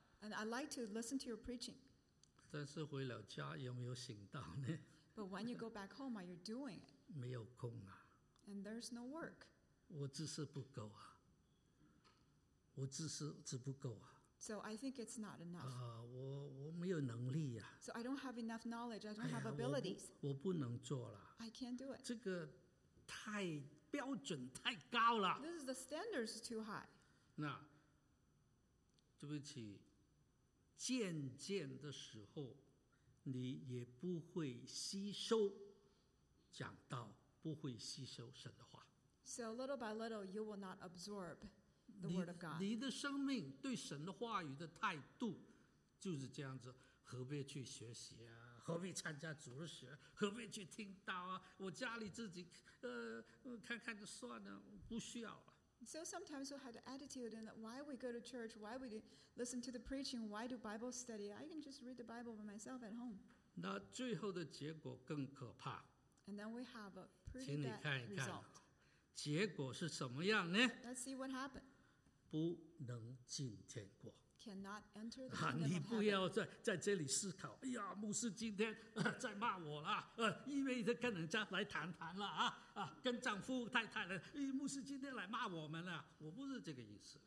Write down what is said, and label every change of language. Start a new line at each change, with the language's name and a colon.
English: And I like to listen to your preaching.
Chinese: 但是回了家有没有行道呢？
English: But when you go back home, are you doing it?
Chinese: 没有空啊。
English: And there's no work.
Chinese: 我知识不够啊。我知识只不够啊。
English: So I think it's not enough.
Chinese: 我没有能力啊。
English: So I don't have enough knowledge. I don't have abilities.
Chinese: 我不能做了。
English: I can't do it.
Chinese: 这个太标准太高了。
English: This is the standards too high.
Chinese: 那对不起。渐渐的时候，你也不会吸收讲道，不会吸收神的话。
English: So little by little, you will not absorb the word of God.
Chinese: 你的生命对神的话语的态度就是这样子，何必去学习啊？何必参加主日学？何必去听道啊？我家里自己看看就算了，不需要了。
English: So sometimes we'll have the attitude in that why we go to church, why we listen to the preaching, why do Bible study? I can just read the Bible by myself at home.
Chinese: 那最后的结果更可怕。
English: And then we have a pretty bad result.
Chinese: 请你看一看，结果是什么样呢？
English: Let's see what happened.
Chinese: 不能进天国。
English: Cannot enter the kingdom of heaven.
Chinese: 你不要在这里思考，哎呀，牧师今天在骂我了，因为他跟人家来谈谈了跟丈夫太太了，哎，牧师今天来骂我们了，我不是这个意思。